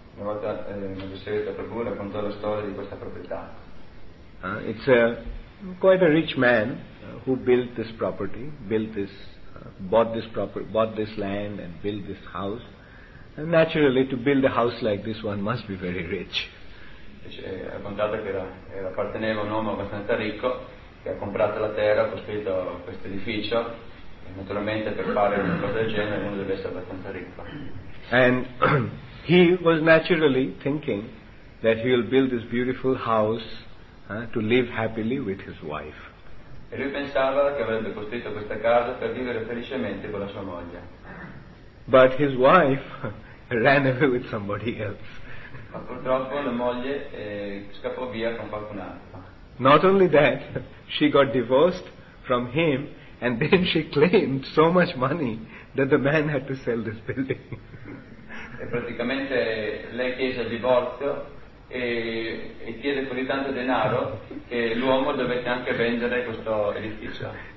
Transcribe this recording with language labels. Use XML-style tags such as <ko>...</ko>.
<it>Una volta Madhusavita Prabhu raccontò la storia di questa proprietà.</it> <en>It's a quite a rich man who built this property, bought this land and built this house. And naturally, to build a house like this, one must be very rich.</en> <it>Raccontato che era apparteneva a un uomo abbastanza ricco, che ha comprato la terra, ha costruito questo edificio, e naturalmente per fare una cosa del genere uno deve essere abbastanza ricco.</it> <en>And he was naturally thinking that he will build this beautiful house to live happily with his wife.</en> <it>E lui pensava che avrebbe costruito questa casa per vivere felicemente con la sua moglie.</it> <en>But his wife ran away with somebody else.</en> <it>Ma purtroppo la moglie scappò via con qualcun altro.</it> <en>Not only that, she got divorced from him and then she claimed so much money that the man had to sell this building.</en> <it>E praticamente lei chiese il divorzio e chiese così tanto denaro che l'uomo dovette anche vendere questo edificio.</it>